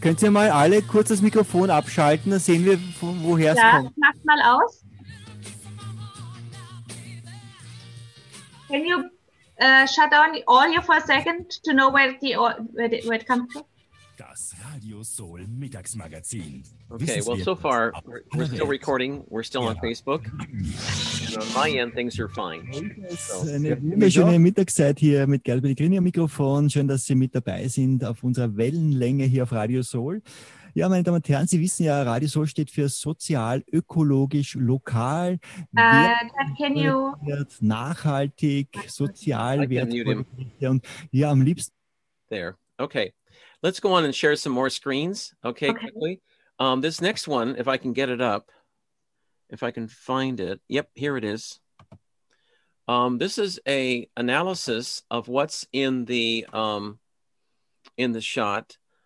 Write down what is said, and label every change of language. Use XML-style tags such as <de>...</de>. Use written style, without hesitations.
<de>Könnt ihr mal alle kurz das Mikrofon abschalten, dann sehen wir, woher es kommt. Ja, mach mal aus.</de> <en>Can you shut down all here for a second to know where it comes from?</en> <de>Das Radio Soul Mittagsmagazin.</de> <en>Okay, well, so far, we're still recording. We're still on Facebook. And on my end, things are fine.</en> <de>Schöne Mittagszeit hier mit Gerhard Pellegrini am Mikrofon. Schön, dass Sie mit dabei sind auf unserer Wellenlänge hier auf Radio Soul. Ja, meine Damen und Herren, Sie wissen ja, Radio Soul steht für sozial, ökologisch, lokal, nachhaltig, sozial, wertvoll. Und ja, am liebsten.</de> <en>There. Okay. Let's go on and share some more screens. Okay, okay. Quickly. This next one, if I can get it up, if I can find it. Yep, here it is. This is a analysis of what's in the shot.</en>